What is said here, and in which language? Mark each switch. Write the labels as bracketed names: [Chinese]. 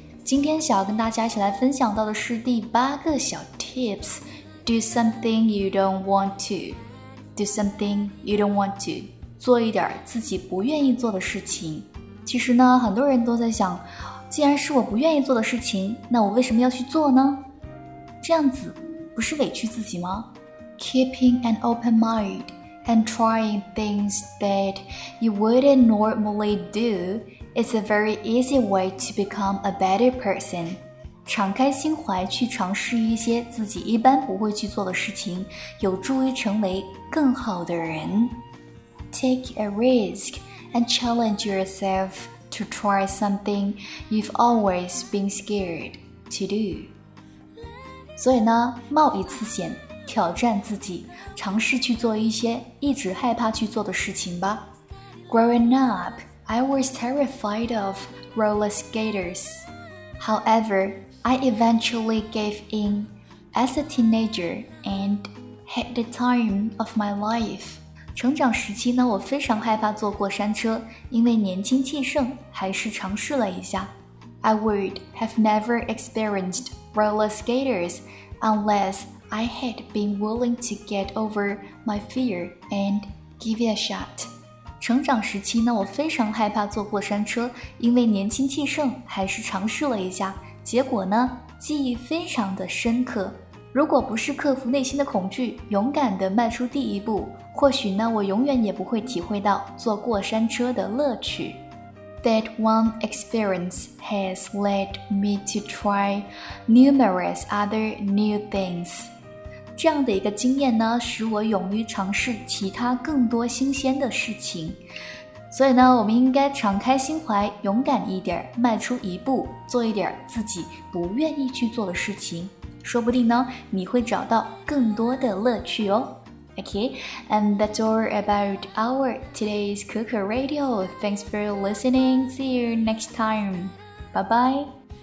[Chinese] 今天想要跟大家一起来分享到的是第八个小 tips， [English] do something you don't want to， do something you don't want to， [Chinese] 做一点自己不愿意做的事情。其实呢，很多人都在想，既然是我不愿意做的事情，那我为什么要去做呢？这样子不是委屈自己吗？ [English] Keeping an open mind and trying things that you wouldn't normally doIt's a very easy way to become a better person. [Chinese] 敞开心怀去尝试一些自己一般不会去做的事情，有助于成为更好的人。 [English] Take a risk and challenge yourself to try something you've always been scared to do. [Chinese] 所以呢，冒一次险，挑战自己，尝试去做一些一直害怕去做的事情吧。 [English] Growing up,I was terrified of roller skaters. However, I eventually gave in as a teenager and had the time of my life. [Chinese] 成长时期呢，我非常害怕坐过山车，因为年轻气盛，还是尝试了一下。 [English] I would have never experienced roller skaters unless I had been willing to get over my fear and give it a shot. [Chinese] 成长时期呢，我非常害怕坐过山车，因为年轻气盛，还是尝试了一下，结果呢，记忆非常的深刻。如果不是克服内心的恐惧，勇敢地迈出第一步，或许呢，我永远也不会体会到坐过山车的乐趣。 [English] That one experience has led me to try numerous other new things. [Chinese] 这样的一个经验呢，使我勇于尝试其他更多新鲜的事情。所以呢，我们应该敞开心怀，勇敢一点，迈出一步，做一点自己不愿意去做的事情。说不定呢，你会找到更多的乐趣哦。 [English] Okay, and that's all about our today's Kuku Radio. Thanks for listening. See you next time. Bye bye.